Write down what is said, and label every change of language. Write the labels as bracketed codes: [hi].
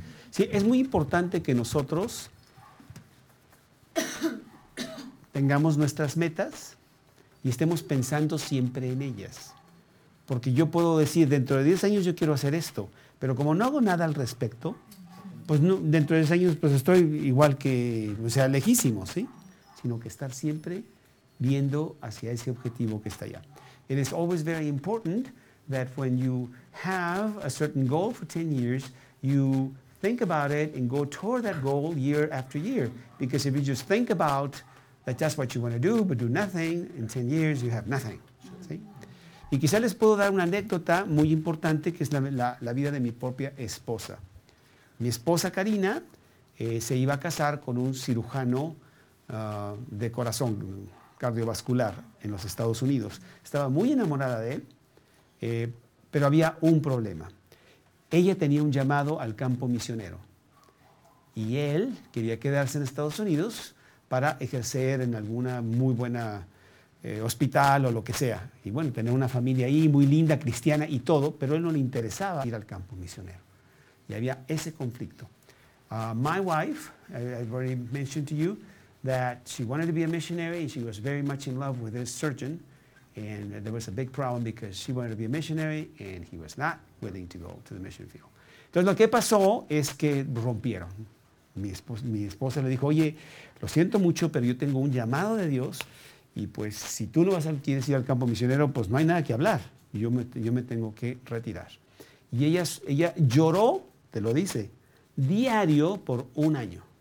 [es] Sí, es muy importante que nosotros tengamos nuestras metas y estemos pensando siempre en ellas. Porque yo puedo decir, dentro de 10 años yo quiero hacer esto, pero como no hago nada al respecto, pues no, dentro de 10 años pues estoy igual que, o sea, lejísimo, ¿sí? Sino que estar siempre viendo hacia ese objetivo que está allá. [en] It is always very important that when you have a certain goal for 10 years, you think about it and go toward that goal year after year. Because if you just think about that that's what you want to do, but do nothing, in 10 years you have nothing. [es] ¿Sí? Y quizá les puedo dar una anécdota muy importante, que es la vida de mi propia esposa. Mi esposa Karina se iba a casar con un cirujano de corazón cardiovascular en los Estados Unidos. Estaba muy enamorada de él, pero había un problema. Ella tenía un llamado al campo misionero y él quería quedarse en Estados Unidos para ejercer en alguna muy buena hospital o lo que sea. Y bueno, tener una familia ahí muy linda, cristiana y todo, pero a él no le interesaba ir al campo misionero. Y había ese conflicto. [en] My wife, I've already mentioned to you that she wanted to be a missionary and she was very much in love with this surgeon. And there was a big problem because she wanted to be a missionary and he was not willing to go to the mission field. [es] Entonces, lo que pasó es que rompieron. Mi esposa le dijo, oye, lo siento mucho, pero yo tengo un llamado de Dios y pues si tú no quieres ir al campo misionero, pues no hay nada que hablar. Yo me tengo que retirar. Y ella lloró, te lo dice, diario por un año.